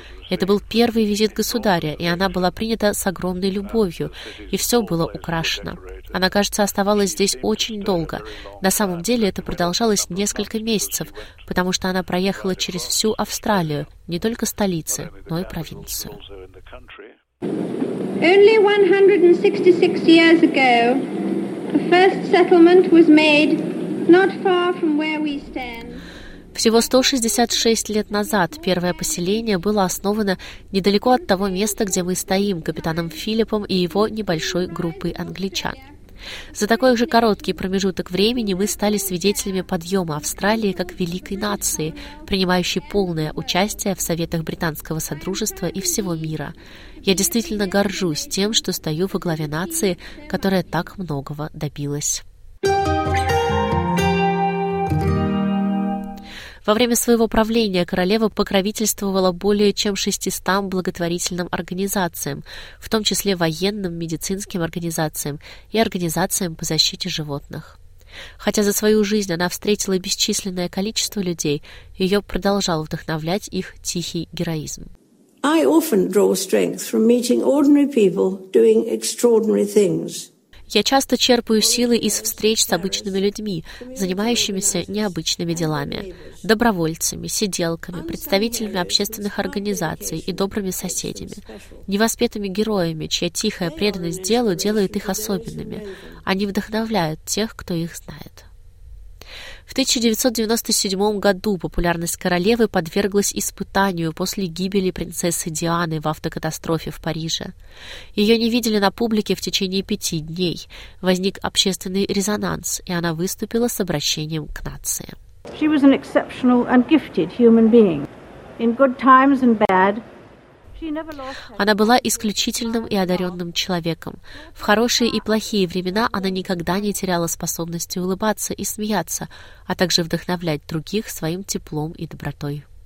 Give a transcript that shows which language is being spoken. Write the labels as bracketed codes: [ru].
[ru] Это был первый визит государя, и она была принята с огромной любовью, и все было украшено. Она, кажется, оставалась здесь очень долго. На самом деле это продолжалось несколько месяцев, потому что она проехала через всю Австралию, не только столицы, но и провинцию. [en] Only 166 years ago, the first settlement was made not far from where we stand. [ru] Всего 166 лет назад первое поселение было основано недалеко от того места, где мы стоим, капитаном Филиппом и его небольшой группой англичан. За такой же короткий промежуток времени мы стали свидетелями подъема Австралии как великой нации, принимающей полное участие в советах Британского Содружества и всего мира. Я действительно горжусь тем, что стою во главе нации, которая так многого добилась. Во время своего правления королева покровительствовала более чем 600 благотворительным организациям, в том числе военным, медицинским организациям и организациям по защите животных. Хотя за свою жизнь она встретила бесчисленное количество людей, ее продолжал вдохновлять их тихий героизм. [en] I often draw strength from meeting ordinary people doing extraordinary things. [ru] Я часто черпаю силы из встреч с обычными людьми, занимающимися необычными делами. Добровольцами, сиделками, представителями общественных организаций и добрыми соседями. Невоспетыми героями, чья тихая преданность делу делает их особенными. Они вдохновляют тех, кто их знает. В 1997 году популярность королевы подверглась испытанию после гибели принцессы Дианы в автокатастрофе в Париже. Ее не видели на публике в течение 5 дней. Возник общественный резонанс, и она выступила с обращением к нации. [en] She was an exceptional and gifted human being. In good times and bad. [ru] Она была исключительным и одаренным человеком. В хорошие и плохие времена она никогда не теряла способности улыбаться и смеяться, а также вдохновлять других своим теплом и добротой.